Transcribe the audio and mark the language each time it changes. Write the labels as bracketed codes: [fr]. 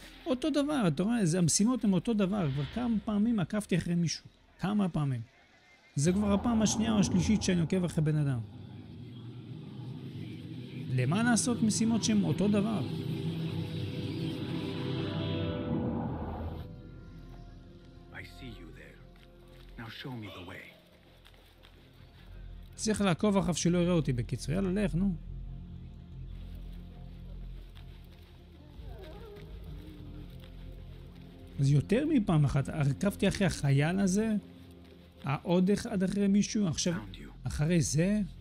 [he] אותו דבר, אתה רואה, המשימות הן אותו דבר. כבר כמה פעמים עקבתי אחרי מישהו. כמה פעמים. זה כבר הפעם השנייה או השלישית שאני עוקב אחרי בן אדם. למה לעשות משימות שהן אותו דבר? [en] I see you there. Now show me the way. [he] צריך לעקוב אחריו שלא יראה אותי בקיצור. יאללה, לך, נו. אז יותר מפעם אחת, הרכבתי אחרי החייל הזה, העוד אחד אחרי מישהו, עכשיו, אחרי זה...